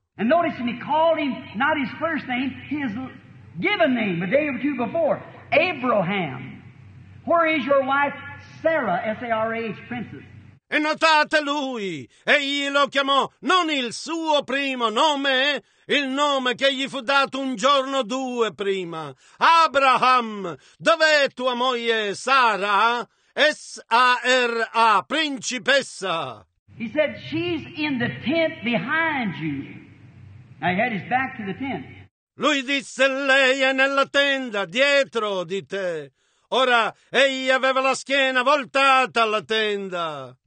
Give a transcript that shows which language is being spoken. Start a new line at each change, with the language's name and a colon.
English: And notice when he called him not his first name, his given name a day or two before, Abraham. Where is your wife, Sarah, S-A-R-A-H, princess?
Italian: E notate lui, egli lo chiamò non il suo primo nome, il nome che gli fu dato un giorno o due prima. Abraham, dov'è tua moglie Sara? S-A-R-A, principessa.
English: He said, she's in the tent behind you. Now he had his back to the tent.
Italian: Lui disse, lei è nella tenda dietro di te. Ora, egli aveva la schiena voltata alla tenda.